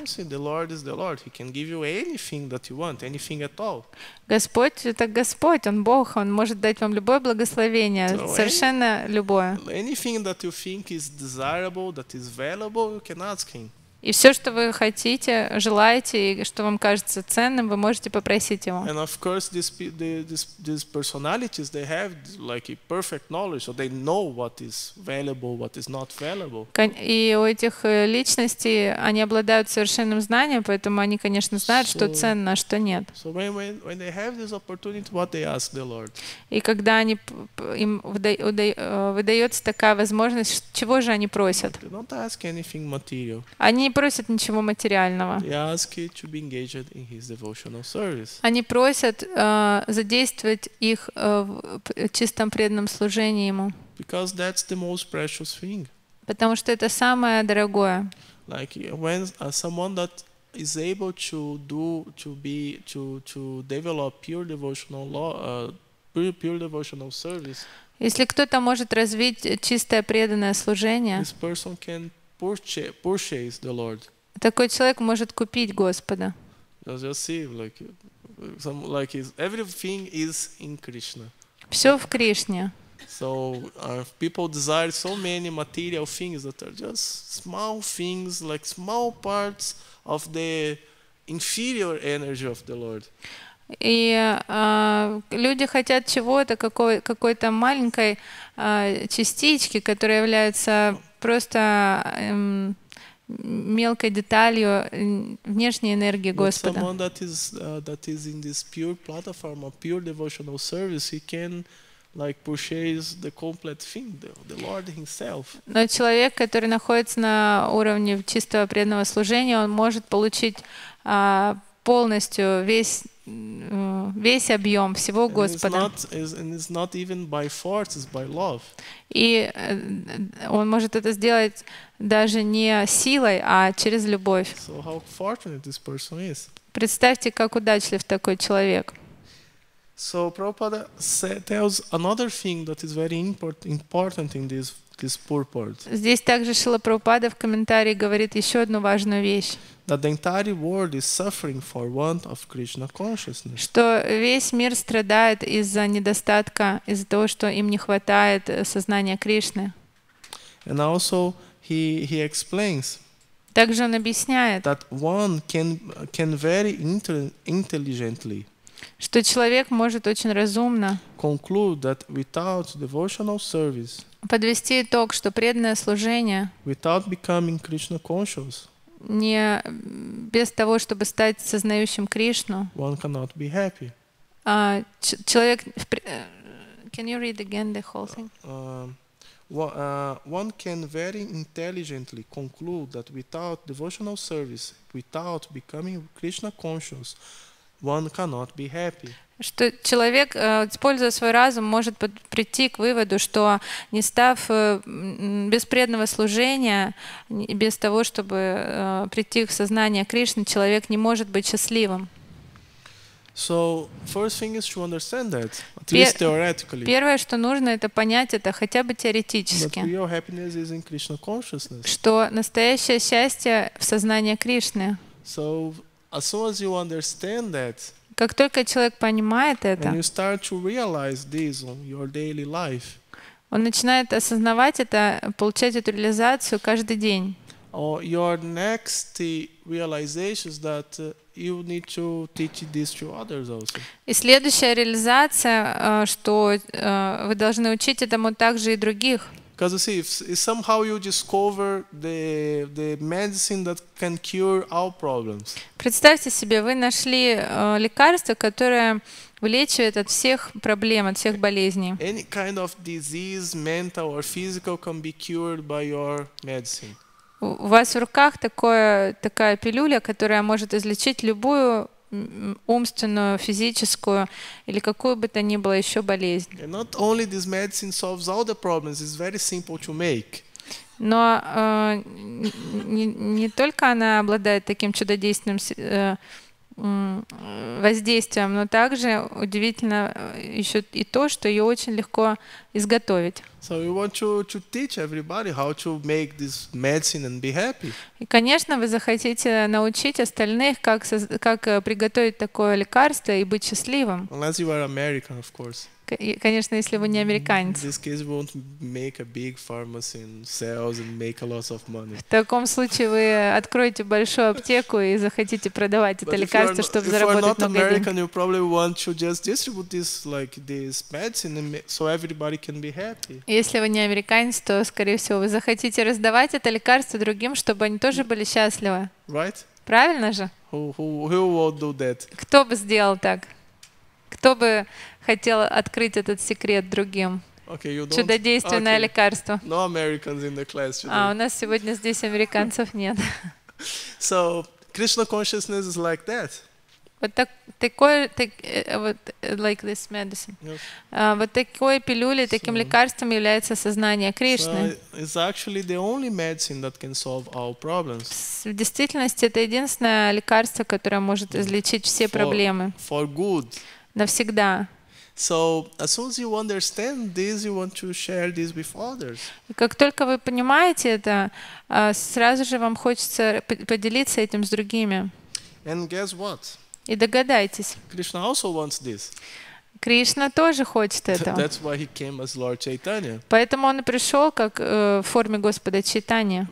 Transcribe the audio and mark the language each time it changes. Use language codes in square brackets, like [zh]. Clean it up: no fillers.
[en] And you see, the Lord is the Lord. He can give you anything that you want, anything at all. [ru] Господь это Господь, он Бог, он может дать вам любое благословение, so совершенно любое. [en] Anything that you think is desirable, that is valuable, you can ask him. [ru] И все, что вы хотите, желаете, и что вам кажется ценным, вы можете попросить его. [en] And of course, these personalities, they have like a perfect knowledge, so they know what is valuable, what is not valuable. [ru] И у этих личностей, они обладают совершенным знанием, поэтому они, конечно, знают, что ценно, а что нет. [en] So when they have this opportunity, what they ask the Lord? [ru] И когда они, им выдается такая возможность, чего же они просят? [en] They don't ask anything material. [ru] Они просят ничего материального. [en] They ask you to be engaged in his devotional service. [ru] Они просят задействовать их в чистом преданном служении ему. [en] Because that's the most precious thing. [ru] Потому что это самое дорогое. [en] Like when someone that is able to do to develop pure devotional pure devotional service. [ru] Если кто-то может развить чистое преданное служение. [en] This person can purchase the Lord. [ru] Такой человек может купить Господа. [en] Just see, like everything is in Krishna. [ru] Все в Кришне. [en] So people desire so many material things that are just small things, like small parts of the inferior energy of the Lord. [ru] И люди хотят чего-то, какой-то маленькой частички, которая является просто мелкой деталью внешней энергии Господа. [en] Someone that is in this pure platform of pure devotional service, he can Like Boucher is the complete thing, the Lord himself. [ru] Но человек, который находится на уровне чистого преданного служения, он может получить полностью весь объем всего Господа. [en] It's not even by force, it's by love. [ru] И он может это сделать даже не силой, а через любовь. [en] So how fortunate this person is. [ru] Представьте, как удачлив такой человек. [en] So Prabhupada tells another thing that is very important in this purport. [ru] Здесь также Шрила Прабхупада в комментарии говорит еще одну важную вещь. [en] That the entire world is suffering for want of Krishna consciousness. [ru] Что весь мир страдает из-за недостатка, из-за того, что им не хватает сознания Кришны. [en] And also he explains. [ru] Также он объясняет. [en] That one can very intelligently. [ru] Что человек может очень разумно [en] conclude that without devotional service, [ru] подвести итог, что преданное служение [en] without becoming Krishna conscious, [ru] не без того, чтобы стать сознающим Кришну, [en] one cannot be happy. [ru] Человек, [en] can you read again the whole thing? One can very intelligently conclude that without devotional service, without becoming Krishna conscious, one cannot be happy. [ru] Что человек, используя свой разум, может прийти к выводу, что не став без преданного служения, без того, чтобы прийти к сознанию Кришны, человек не может быть счастливым. [en] So, first thing is to understand that, at least theoretically. [ru] Первое, что нужно, это понять это хотя бы теоретически. [en] That real happiness is in Krishna consciousness. [ru] Что настоящее счастье в сознании Кришны. [en] So, as soon as you understand that, [ru] как только человек понимает это, [en] and you start to realize this on your daily life, [ru] он начинает осознавать это, получать эту реализацию каждый день. [en] Your next realization is that you need to teach this to others also. [ru] И следующая реализация, что вы должны учить этому также и других. [en] Because you see, if somehow you discover the medicine that can cure all problems. [ru] Представьте себе, вы нашли лекарство, которое вылечивает от всех проблем, от всех болезней. [en] Any kind of disease, mental or physical, can be cured by your medicine. [ru] У вас в руках такая пилюля, которая может излечить любую умственную, физическую или какую бы то ни было еще болезнь. [en] And not only this medicine solves all the problems, it's very simple to make. [ru] Но не только она обладает таким чудодейственным воздействием, но также удивительно еще и то, что ее очень легко изготовить. [en] So you want to teach everybody how to make this medicine and be happy. [ru] И, конечно, вы захотите научить остальных, как приготовить такое лекарство и быть счастливым. [en] Unless you are American, of course. [ru] Конечно, если вы не американец. [en] In this case, we won't make a big pharmacy and sales and make a lot of money. [ru] В таком случае вы откроете большую аптеку и захотите продавать это лекарство, чтобы заработать много денег. [en] If you are not American, you probably want to just distribute this medicine so everybody can be happy. [ru] Если вы не американец, то, скорее всего, вы захотите раздавать это лекарство другим, чтобы они тоже были счастливы. [en] Right? [ru] Правильно же? [en] Who would do that? [ru] Кто бы сделал так? Кто бы хотел открыть этот секрет другим? [en] Okay, [ru] чудодейственное лекарство. [en] No Americans in the class today. [ru] А у нас сегодня здесь американцев нет. [en] So, Krishna consciousness is like that. [ru] Вот [en] like this medicine. Yes. [ru] Вот такой пилюлей, таким лекарством является сознание Кришны. [en] So, it's actually the only medicine that can solve all problems. [ru] В действительности это единственное лекарство, которое может излечить все проблемы. [en] For good. [ru] Навсегда. [en] So, as soon as you understand this, you want to share this with others. [ru] И как только вы понимаете это, сразу же вам хочется поделиться этим с другими. [en] And guess what? [ru] И догадайтесь. [en] Krishna also wants this. [ru] Кришна тоже хочет этого. [en] That's why he came as Lord Chaitanya. [ru] Поэтому он и пришел как в форме Господа Чайтани.